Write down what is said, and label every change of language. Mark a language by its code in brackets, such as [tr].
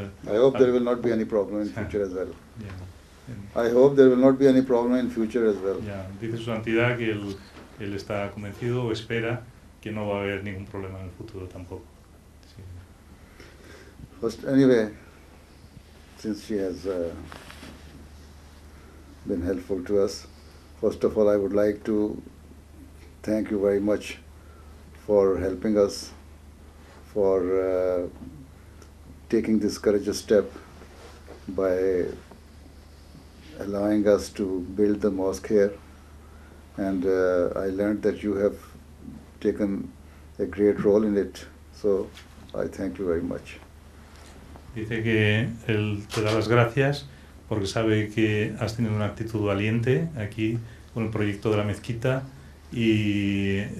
[en] I hope there will not be any problem in future as well. Yeah. I hope there will not be any problem in future as well. [es] Yeah, dice su santidad que él está convencido o espera que no va a haber ningún problema en el futuro tampoco. Sí. [en] First, anyway, since she has been helpful to us, first of all, I would like to thank you very much for helping us, for taking this courageous step by allowing us to build the mosque here. And I learned that you have taken a great role in it. So I thank you very much. [es] Dice que él te da las gracias porque sabe que has tenido una actitud valiente aquí con el proyecto de la mezquita, y